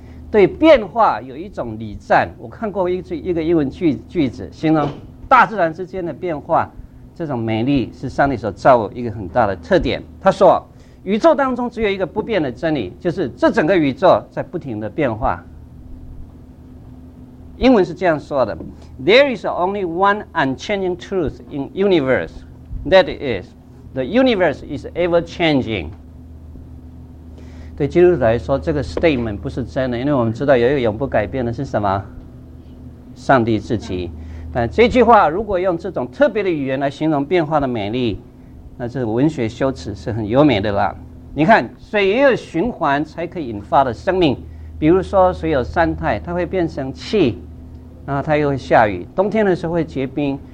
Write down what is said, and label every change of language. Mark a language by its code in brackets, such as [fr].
[zh] 对变化有一种礼赞，我看过一个英文句子形容大自然之间的变化，这种美丽是上帝所造物一个很大的特点。他说，宇宙当中只有一个不变的真理，就是这整个宇宙在不停的变化。英文是这样说的， [en] There is only one unchanging truth in universe, that is, the universe is ever changing. [zh] 对基督徒来说，这个 statement 不是真的，因为我们知道有一个永不改变的是什么？上帝自己。但这句话如果用这种特别的语言来形容变化的美丽，那这文学修辞是很优美的啦。你看，水也有循环才可以引发的生命，比如说水有三态，它会变成气，然后它又会下雨，冬天的时候会结冰。